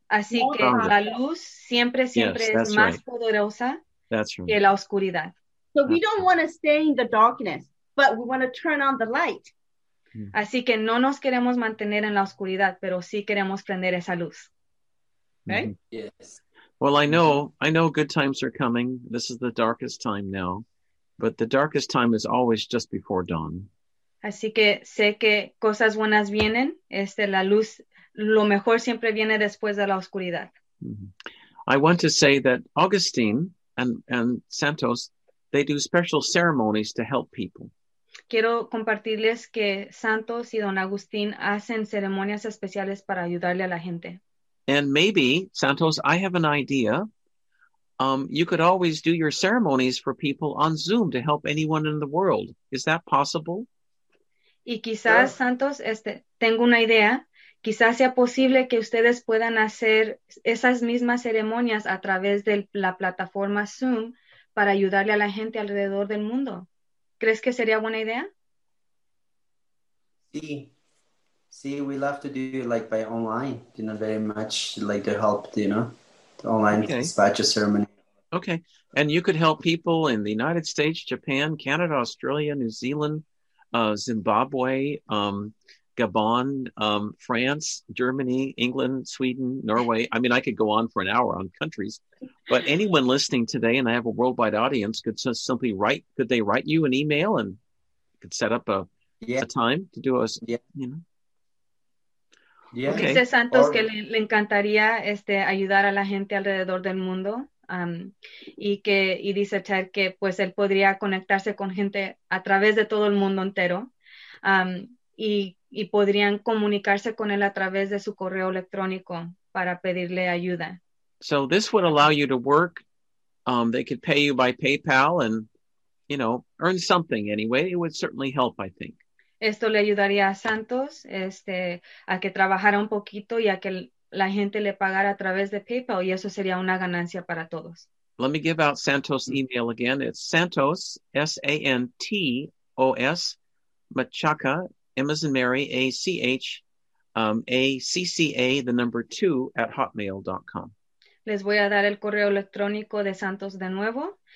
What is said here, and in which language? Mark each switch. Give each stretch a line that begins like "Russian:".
Spanish: Así que la luz siempre
English: yes,
Spanish: es más
English: right.
Spanish: poderosa
English: that's right.
Spanish: que la oscuridad.
English: So we don't want to stay in the darkness, but we want to turn on the light.
Spanish: Así que no nos queremos mantener en la oscuridad, pero sí queremos prender esa luz.
English: Right? Yes. Well, I know good times are coming. This is the darkest time now. But the darkest time is always just before dawn.
Spanish: Así que sé que cosas buenas vienen. La luz, lo mejor siempre viene después de la oscuridad.
English: I want to say that Augustine and Santos, they do special ceremonies to help people.
Spanish: Quiero compartirles que Santos y Don Agustín hacen ceremonias especiales para ayudarle a la gente.
English: And maybe, Santos, I have an idea. You could always do your ceremonies for people on Zoom to help anyone in the world. Is that possible?
Spanish: Y quizás,
English: yeah.
Spanish: Santos, tengo una idea. Quizás sea posible que ustedes puedan hacer esas mismas ceremonias a través de la plataforma Zoom para ayudarle a la gente alrededor del mundo. ¿Crees que sería buena idea? Sí. Sí,
English: we love to do like by online, you know, very much like to help, you know, the online okay. dispatch a ceremony. Okay. And you could help people in the United States, Japan, Canada, Australia, New Zealand, Zimbabwe, Gabon, France, Germany, England, Sweden, Norway. I mean, I could go on for an hour on countries, but anyone listening today, and I have a worldwide audience, could just simply write, could they write you an email and could set up a time to do us, yeah. you know? Yeah. Okay.
Spanish: Dice Santos que le encantaría ayudar a la gente alrededor del mundo. Y dice Ted que pues él podría conectarse con gente a través de todo el mundo entero. Y podrían comunicarse con él a través de su correo electrónico para pedirle ayuda.
English: So this would allow you to work. They could pay you by PayPal and, you know, earn something anyway. It would certainly help, I think.
Spanish: Esto le ayudaría a Santos a que trabajara un poquito y a que la gente le pagara a través de PayPal y eso sería una ganancia para todos.
English: Let me give out Santos' email again. It's Santos, S-A-N-T-O-S, Machaca, M as in Mary, A-C-H, A-C-C-A, the number 2, at hotmail.com.
Spanish: Les voy a dar el correo electrónico de Santos de nuevo.